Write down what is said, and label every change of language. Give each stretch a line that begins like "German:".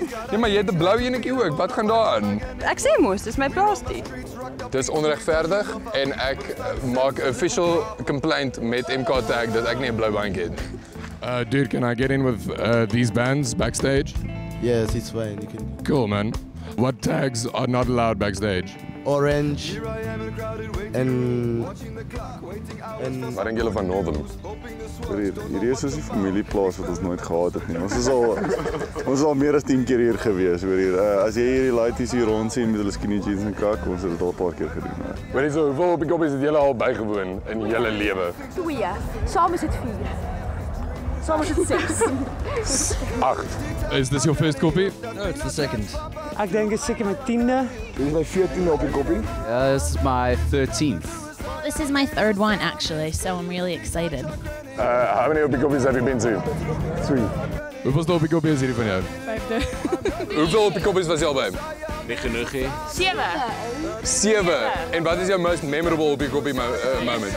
Afrikaans: Ja, maar jy het 'n blou enetjie ook. Wat gaan daar aan? Ek sê mos, dis my plaas die. Dis onregverdig en ek maak 'n official complaint met MK Tag dat ek nie 'n blou bandjie het.
English: Dude, can I get in with these bands backstage? Yes, it's fine. You can. Cool, man. What tags are not allowed backstage? Orange. En
Afrikaans: wat dink julle van Northern? Hier is soos die familieplaas wat ons nooit gehad het nie. Ons is al meer as 10 keer hier gewees oor hier. As jy hierdie laities hier rond sien met hulle skinny jeans en kak, ons het dit al 'n paar keer gedoen. Weet jy so, hoeveel op die koppies het julle al bygewoon in julle lewe? 2. Saam is dit 4. Saam is dit 6. 8. Is dis jou first koppie?
English: No, it's the second.
Afrikaans: Ek dink is seker my 10de. Dit is my 14de op die koppie.
English: Ja, this is my 13th. This is my 3rd one actually, so I'm really excited. How many Opie Koppies have you been to? 3.
Afrikaans: Hoeveel Opie Koppies is hier van jou? 5de. Hoeveel Opie Koppies was jy al by? Nie genoeg hier. 7. 7. En wat is jou
English: most memorable
Afrikaans: Opie Koppie moment?